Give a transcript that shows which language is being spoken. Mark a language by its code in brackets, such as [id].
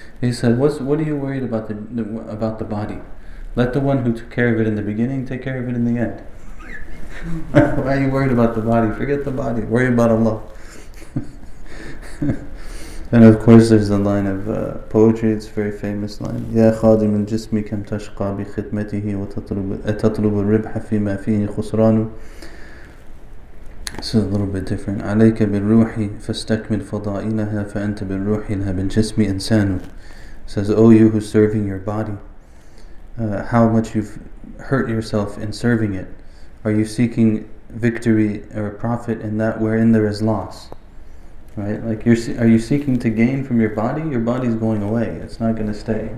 [en] He said, what are you worried about the body? Let the one who took care of it in the beginning take care of it in the end. Why are you worried about the body? Forget the body. Worry about Allah. And of course, there's the line of poetry. It's a very famous line. [ar] يا خادم الجسم كم تشقى بخدمته وتطلب الربح فيما فيه خسران. [en] This is a little bit different. [ar] عليك بالروح فاستكمل فضائلها فأنت بالروح لها بالجسم إنسان. [en] Says, oh, you who's serving your body, how much you've hurt yourself in serving it. Are you seeking victory or profit in that wherein there is loss? Right? Like, are you seeking to gain from your body? Your body's going away. It's not going to stay.